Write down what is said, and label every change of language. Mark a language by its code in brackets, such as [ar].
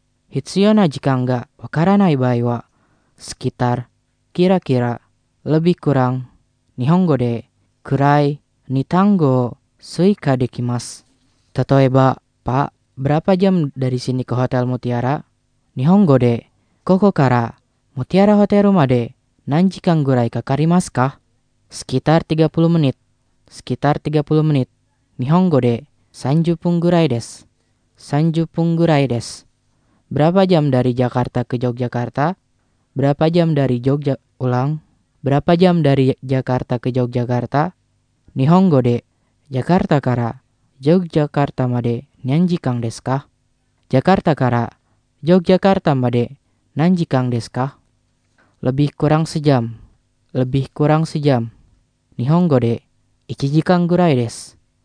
[ja] 必要な時間がわからない場合は、 [id] sekitar、kira-kira、lebih kurang、 [ja] 日本語でくらいに単語を追加できます。 [id] 例えば、Pak, berapa jam dari sini ke Hotel Mutiara? [ja] 日本語で、ここから Mutiara Hotel まで何時間ぐらいかかりますか？ [id] sekitar 30 menit。 [ja] 日本語で30分ぐらいです。 [id] Berapa jam dari Jakarta ke Yogyakarta? Berapa jam dari Jakarta ke Yogyakarta? [ja] 日本語で、Jakarta からJogyakarta まで何時間ですか？ Jakarta から Yogyakarta まで何時間ですか？ [id] Lebih kurang sejam. [ja] 日本語で1時間ぐらいです。